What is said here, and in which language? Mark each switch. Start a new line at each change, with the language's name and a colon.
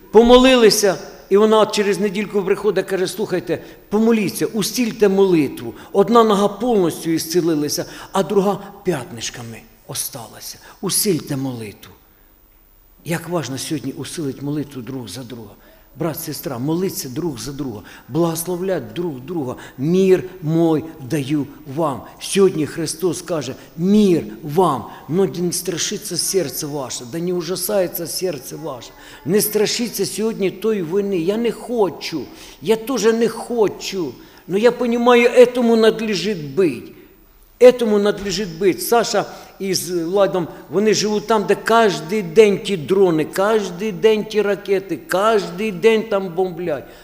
Ukrainian: Помолилися, і вона через недільку приходить, каже, слухайте, помоліться, устільте молитву. Одна нога повністю ісцелилася, а друга п'ятнишками осталася. Усильте молитву. Як важливо сьогодні усилити молитву друг за друга. Брат, сестра, молиться друг за друга, благословлять друг друга.
Russian: Мир мой даю вам.
Ukrainian: Сьогодні Христос каже, мир вам. Но не страшиться серце ваше, да не ужасається серце ваше. Не страшиться сьогодні той вини. Я не хочу, я теж не хочу.
Russian: Но я понимаю, этому надлежит быть. Этому надлежит быть.
Ukrainian: Саша із Владом, вони живуть там, де кожен день ті дрони, кожен день ті ракети, кожен день там бомблять.